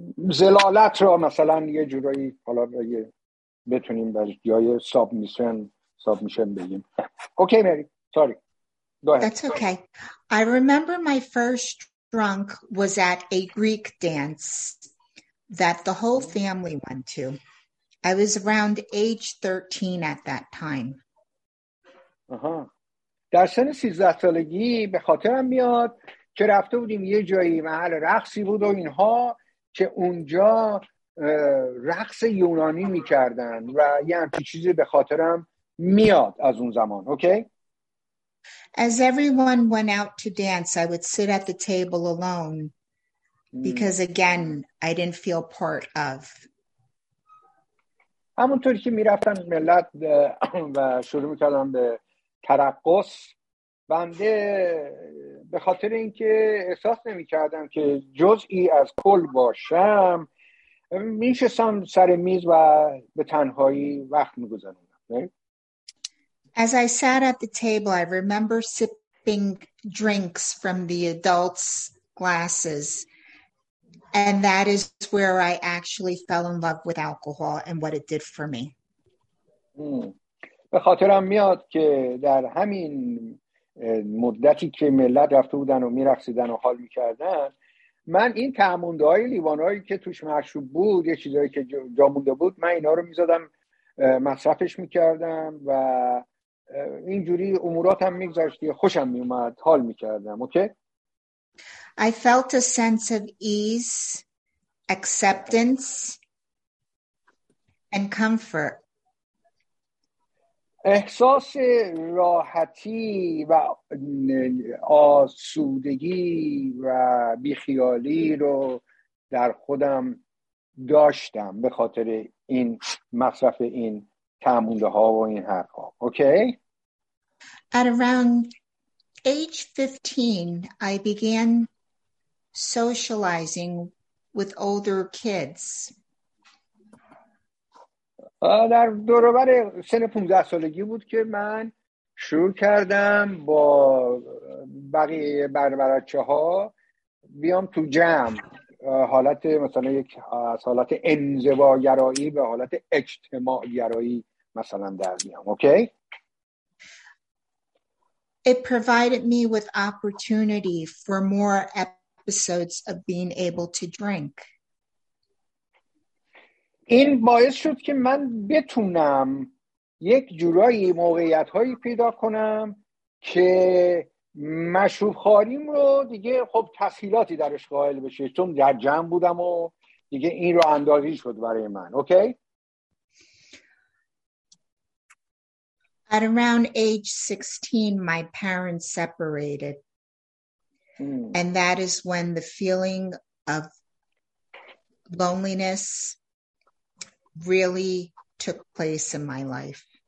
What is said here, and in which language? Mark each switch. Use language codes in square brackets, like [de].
[fa] زلالت را مثلا یه جورایی حالا یه بتونیم بر جای سابمیشن بگیم. [en] Okay Mary, sorry. Go ahead. That's okay. I remember my first drunk was at a Greek dance that the whole family went to. I was around age 13 at that time. [fa] در سن 13 سالگی به خاطرم میاد که رفته بودیم یه جایی محل رقصی بود و اینها که اونجا رقص یونانی میکردن و یه همچی چیزی به خاطرم میاد از اون زمان. [en] Okay? As everyone went out to dance, I would sit at the table alone because, again, I didn't feel part of. [fa] همونطوری که میرفتن ملت و شروع میکردن به ترقص، بنده به خاطر اینکه احساس نمیکردم که جزئی از کل باشم، میشستم سر میز و به تنهایی وقت میگذروندم. [en] As I sat at the table, I remember sipping drinks from the adults' glasses. And that is where I actually fell in love with alcohol and what it did for me. [fa] به خاطرم میاد که در همین مدتی که ملت رفته بودن و میرقصیدن و حال میکردن، من این تعمونده‌های لیوانایی که توش مشروب بود، یه چیزایی که جا مونده بود، من اینا رو میزدم مصرفش میکردم و اینجوری اموراتم میگذشت، خوشم میومد، حال میکردم. [en] Okay? I felt a sense of ease, acceptance and comfort. [fa] احساس راحتی و آسودگی و بیخیالی رو در خودم داشتم به خاطر این مصرف این تعمونده ها و این حرف ها. [en] Okay? At around age 15, I began socializing with older kids. [fa] در دوروبر سن 15 سالگی بود که من شروع کردم با بقیه بربرچه ها بیام تو جمع، حالت مثلا یک از حالت انزواگرایی به حالت اجتماعگرایی مثلا در بیام. [en] Okay? It provided me with opportunity for more episodes of being able to drink. [fa] این باعث شد که من بتونم یک جورایی موقعیت‌هایی پیدا کنم که مشروب خوریم رو دیگه خب تسهیلاتی درش قائل بشه، چون در جمع بودم و دیگه این رو اندازی شد برای من. [en] Okay? At around age 16, my parents separated. And that is when the feeling of loneliness really took place in my life.